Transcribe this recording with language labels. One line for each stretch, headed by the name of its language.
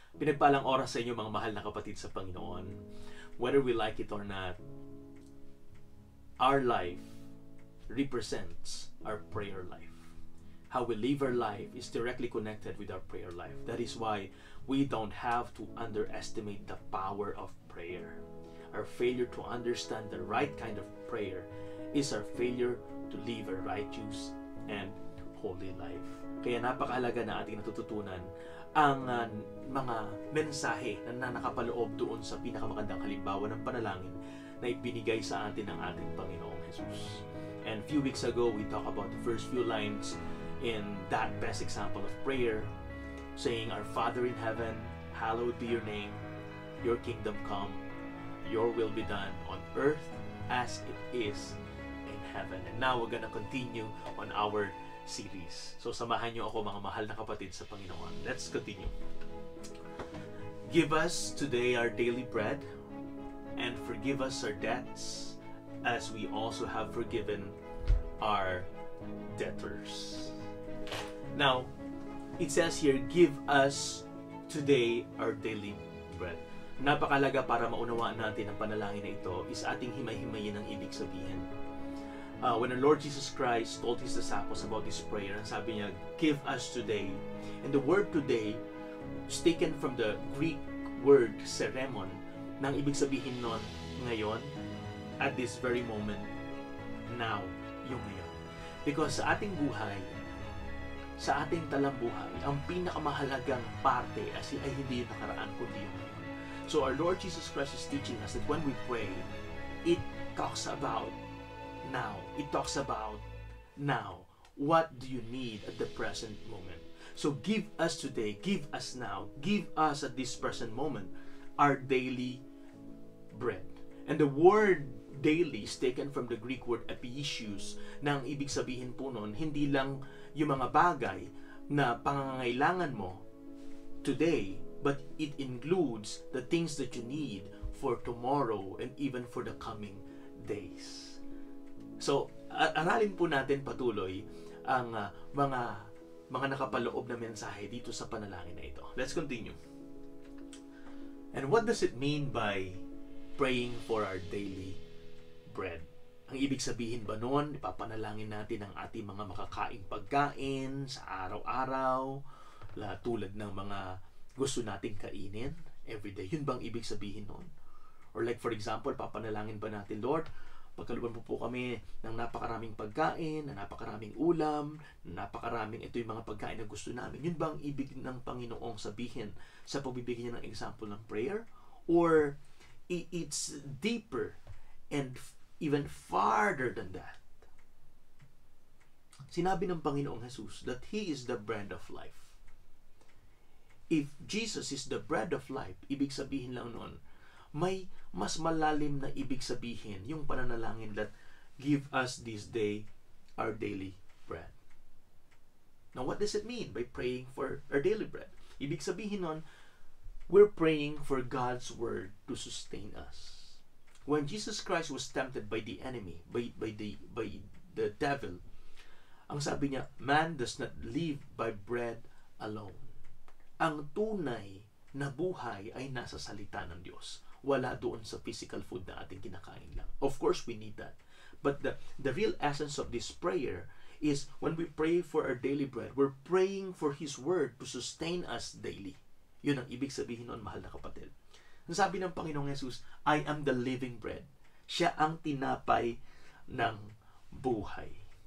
Filipino: pinagpalang oras sa inyo, mga mahal na kapatid sa Panginoon.
English: Whether we like it or not, our life represents our prayer life. How we live our life is directly connected with our prayer life. That is why we don't have to underestimate the power of prayer. Our failure to understand the right kind of prayer is our failure to live a righteous and holy life.
Filipino: Kaya napakahalaga na ating natututunan ang mga mensahe na nanakapaloob doon sa pinakamagandang halimbawa ng panalangin na ibinigay sa atin ng ating Panginoong Jesus.
English: And few weeks ago, we talked about the first few lines in that best example of prayer, saying, "Our Father in heaven, hallowed be your name, your kingdom come, your will be done on earth as it is in heaven." And now we're gonna continue on our series.
Filipino: So samahan niyo ako, mga mahal na kapatid sa Panginoon.
English: Let's continue. Give us today our daily bread, and forgive us our debts as we also have forgiven our debtors. Now, it says here, give us today our daily bread.
Filipino: Napakalaga para maunawaan natin ang panalangin na ito is ating himay-himayin ang ibig sabihin.
English: When our Lord Jesus Christ told His disciples about this prayer,
Filipino: sabi niya,
English: give us today. And the word today is taken from the Greek word seremon,
Filipino: nang ibig sabihin nun, ngayon,
English: at this very moment, now,
Filipino: yung ngayon. Because sa ating buhay, sa ating talambuhay, ang pinakamahalagang parte ay hindi yung nakaraan, kundi yung ngayon.
English: So our Lord Jesus Christ is teaching us that when we pray, it talks about now. It talks about now. What do you need at the present moment? So give us today, give us now, give us at this present moment, our daily bread. And the word daily is taken from the Greek word epiisios,
Filipino: na ang ibig sabihin po nun, hindi lang yung mga bagay na pangangailangan mo
English: today, but it includes the things that you need for tomorrow and even for the coming days.
Filipino: So, aralin po natin patuloy ang mga nakapaloob na mensahe dito sa panalangin na ito.
English: Let's continue. And what does it mean by praying for our daily bread?
Filipino: Ang ibig sabihin ba noon, ipapanalangin natin ang ating mga makakaing pagkain sa araw-araw, tulad ng mga gusto nating kainin
English: every day.
Filipino: Yun bang ibig sabihin noon?
English: Or like for example,
Filipino: papanalangin ba natin, Lord, pagkaluban po kami ng napakaraming pagkain, ng napakaraming ulam, napakaraming ito yung mga pagkain na gusto namin. Yun bang ibig ng Panginoong sabihin sa pagbibigay niya ng example ng prayer?
English: Or it's deeper and even farther than that.
Filipino: Sinabi ng Panginoong Jesus
English: that He is the bread of life. If Jesus is the bread of life,
Filipino: ibig sabihin lang noon, may mas malalim na ibig sabihin yung pananalangin
English: that give us this day our daily bread. Now what does it mean by praying for our daily bread?
Filipino: Ibig sabihin nun,
English: we're praying for God's word to sustain us. When Jesus Christ was tempted by the enemy, by the devil,
Filipino: ang sabi niya,
English: man does not live by bread alone.
Filipino: Ang tunay na buhay ay nasa salita ng Diyos. Wala doon sa
English: physical food
Filipino: na ating kinakain lang.
English: Of course, we need that. But the real essence of this prayer is when we pray for our daily bread, we're praying for His word to sustain us daily.
Filipino: Yun ang ibig sabihin nun, mahal na kapatid. Ang sabi ng Panginoong Jesus,
English: I am the living bread.
Filipino: Siya ang tinapay ng buhay.